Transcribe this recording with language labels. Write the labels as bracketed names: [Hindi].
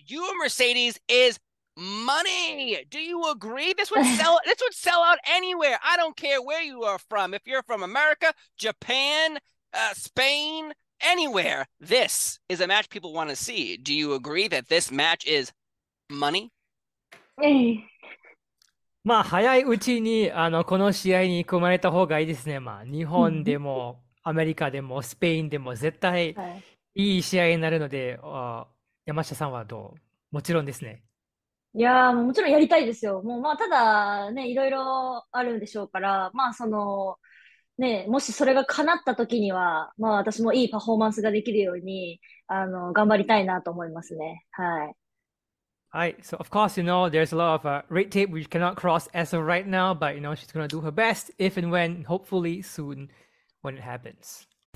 [English] You and Mercedes is money. Do you agree? This would sell out anywhere. I don't care where you are from. If you're from America, Japan, Spain, anywhere, this is a match people want to see. Do you agree that this match is money? [Japanese] まあ早いうちにこの試合に組まれた方がいいですね。まあ日本でもアメリカでもスペインでも絶対いい試合になるので、山下さんはどう？もちろんですね。いやー、もちろんやりたいですよ。もうまあ、ただね、いろいろあるんでしょうから、まあ、その、ね、もしそれが叶った時には、まあ、私もいいパフォーマンスができるように、頑張りたいなと思いますね。はい。はい。 [English] So, of course, you know, there's a lot of, red tape which cannot cross as of right now, but, you know, she's gonna do her best if and when, hopefully soon, when it happens.